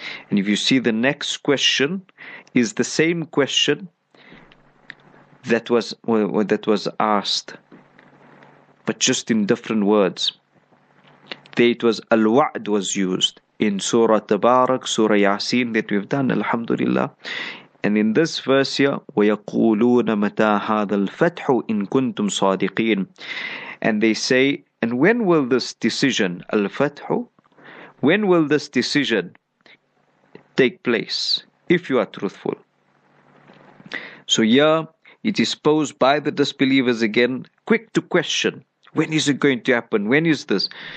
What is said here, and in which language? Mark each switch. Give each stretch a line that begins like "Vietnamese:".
English: And if you see, the next question is the same question that was, well, that was asked, but just in different words. There it was, Al-Wa'd was used. In Surah Tabarak, Surah Yasin, that we've done, Alhamdulillah. And in this verse here,
Arabic: وَيَقُولُونَ مَتَى هَذَا الْفَتْحُ إِن كُنْتُمْ صَادِقِينَ.
English: And they say, and when will this decision, الْفَتْحُ, when will this decision take place, if you are truthful? So here, it is posed by the disbelievers again, quick to question, when is it going to happen? When is this?